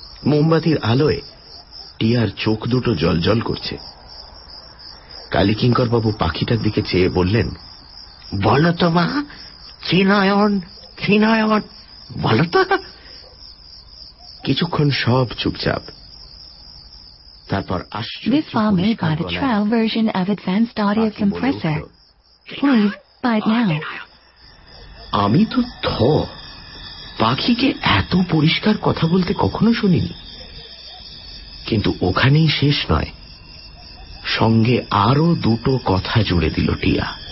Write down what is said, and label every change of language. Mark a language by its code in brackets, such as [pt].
[bn] মোমবাতির আলোয় টিয়ার চোখ দুটো জলজল করছে। কালীকিঙ্করবাবু পাখিটার দিকে চেয়ে বললেন, বলো তো মা, চিনয়ন চিনয়ন বলো তো। কিছুক্ষণ সব চুপচাপ, তারপর আশ্চর্য। [en] This file made by the trial version of Advanced Audio Compressor. Please buy it now. [bn] আমি তো থ, পাখিকে এত পরিষ্কার কথা বলতে কখনো শুনিনি। কিন্তু ওখানেই শেষ নয়, সঙ্গে আরো দুটো কথা জুড়ে দিল টিয়া,